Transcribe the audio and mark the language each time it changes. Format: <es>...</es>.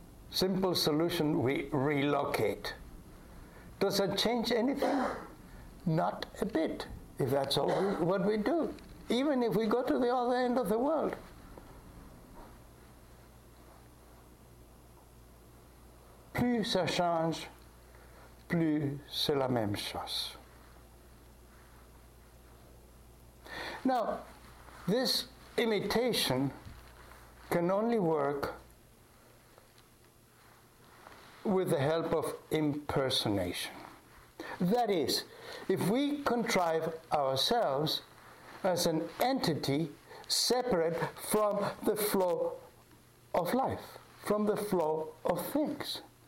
<en>Simple solution, we relocate. Does that change anything? Not a bit. If that's all what we do, even if we go to the other end of the world.</en> <fr>Plus ça change, plus c'est la même chose.</fr> <en>Now, this imitation can only work with the help of impersonation. That is, if we contrive ourselves as an entity separate from the flow of life, from the flow of things.</en>